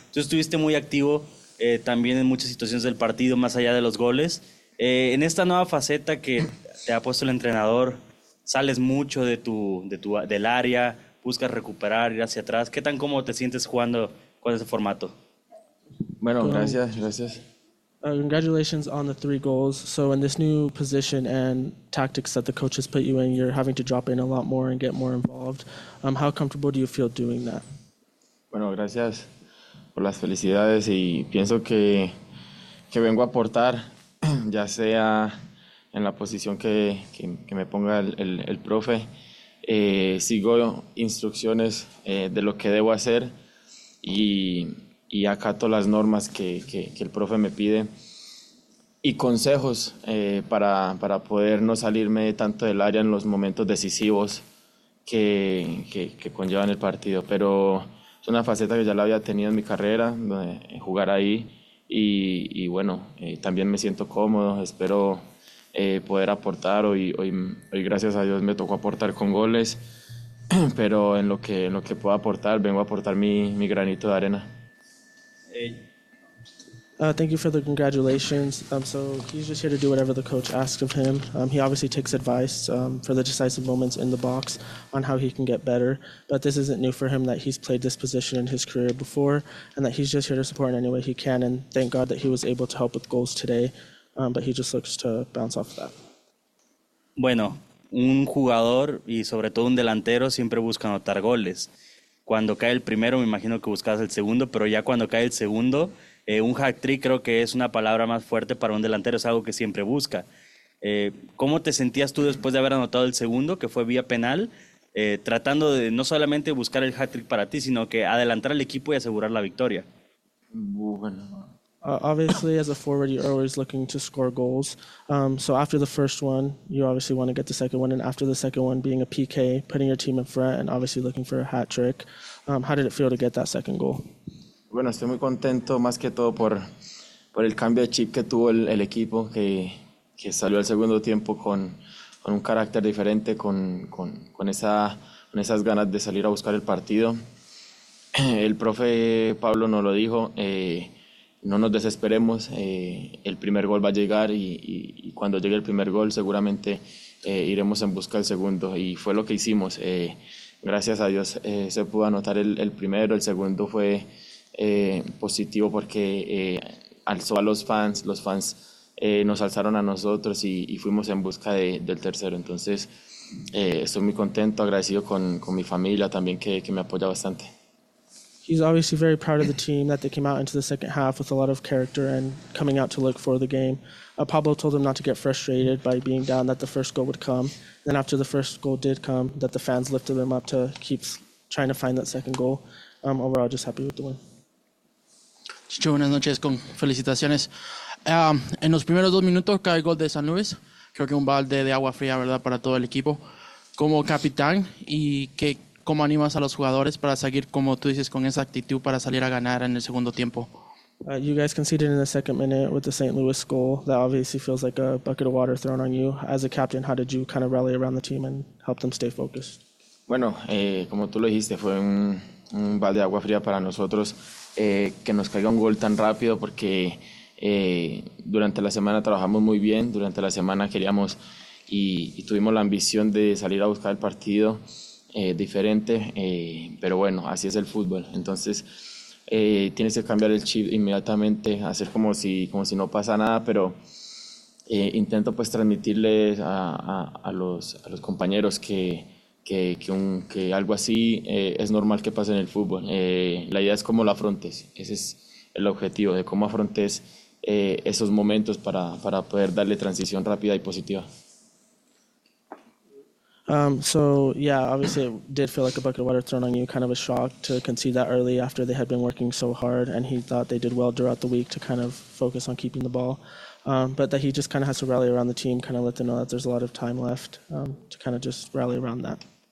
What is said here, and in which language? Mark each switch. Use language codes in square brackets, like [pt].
[es] Tú estuviste muy activo también en muchas situaciones del partido, más allá de los goles. En esta nueva faceta que te ha puesto el entrenador, sales mucho de del área, buscas recuperar, ir hacia atrás. ¿Qué tan cómodo te sientes jugando con ese formato? Bueno, Con gracias, gracias. [en] Congratulations on the 3 goals. So in this new position and tactics that the coach has put you in, you're having to drop in a lot more and get more involved. How comfortable do you feel doing that? [es] Bueno, gracias por las felicidades y pienso que vengo a aportar, ya sea en la posición que me ponga el profe. Sigo instrucciones de lo que debo hacer y acato las normas que el profe me pide y consejos para poder no salirme tanto del área en los momentos decisivos que conllevan el partido. Pero es una faceta que ya la había tenido en mi carrera, jugar ahí y bueno, también me siento cómodo, espero poder aportar. Hoy gracias a Dios me tocó aportar con goles, pero en lo que puedo aportar, vengo a aportar mi granito de arena. [en] Thank you for the congratulations. So he's just here to do whatever the coach asks of him. He obviously takes advice for the decisive moments in the box on how he can get better. But this isn't new for him that he's played this position in his career before and that he's just here to support in any way he can. And thank God that he was able to help with goals today. But he just looks to bounce off of that. [es] Bueno, un jugador y sobre todo un delantero siempre busca anotar goles. Cuando cae el primero, me imagino que buscabas el segundo, pero ya cuando cae el segundo, un hat-trick creo que es una palabra más fuerte para un delantero, es algo que siempre busca. ¿Cómo te sentías tú después de haber anotado el segundo, que fue vía penal, tratando de no solamente buscar el hat-trick para ti, sino que adelantar al equipo y asegurar la victoria? Bueno. [en] Obviously, as a forward, you're always looking to score goals. So after the first one, you obviously want to get the second one, and after the second one, being a PK, putting your team in front, and obviously looking for a hat trick. How did it feel to get that second goal? [es] Bueno, estoy muy contento más que todo por el cambio de chip que tuvo el equipo, que salió al segundo tiempo con un carácter diferente, con esas ganas de salir a buscar el partido. El profe Pablo nos lo dijo, no nos desesperemos, el primer gol va a llegar y cuando llegue el primer gol seguramente iremos en busca del segundo y fue lo que hicimos. Gracias a Dios se pudo anotar el primero, el segundo fue positivo porque alzó a los fans nos alzaron a nosotros y fuimos en busca del tercero. Entonces, estoy muy contento, agradecido con mi familia también que me apoya bastante. [en] He's obviously very proud of the team that they came out into the second half with a lot of character and coming out to look for the game. Pablo told him not to get frustrated by being down, that the first goal would come. Then after the first goal did come, that the fans lifted him up to keep trying to find that second goal. Overall, just happy with the win. [es] Chicho, buenas noches, con felicitaciones. En los primeros 2 minutos cae el gol de San Luis. Creo que un balde de agua fría, ¿verdad?, para todo el equipo. Como capitán, y que ¿cómo animas a los jugadores para seguir, como tú dices, con esa actitud para salir a ganar en el segundo tiempo? [en] You guys conceded in the second minute with the St. Louis goal. That obviously feels like a bucket of water thrown on you. As a captain, how did you kind of rally around the team and help them stay focused? [es] Bueno, como tú lo dijiste, fue un balde de agua fría para nosotros que nos caiga un gol tan rápido porque durante la semana trabajamos muy bien, durante la semana queríamos y tuvimos la ambición de salir a buscar el partido diferente, pero bueno, así es el fútbol. Entonces, tienes que cambiar el chip inmediatamente, hacer como si no pasa nada, pero intento pues transmitirles a los compañeros que algo así es normal que pase en el fútbol. La idea es cómo lo afrontes, ese es el objetivo, de cómo afrontes esos momentos para poder darle transición rápida y positiva. [en] Obviously it did feel like a bucket of water thrown on you, kind of a shock to concede that early after they had been working so hard and he thought they did well throughout the week to kind of focus on keeping the ball. But that he just kind of has to rally around the team, kind of let them know that there's a lot of time left to kind of just rally around that.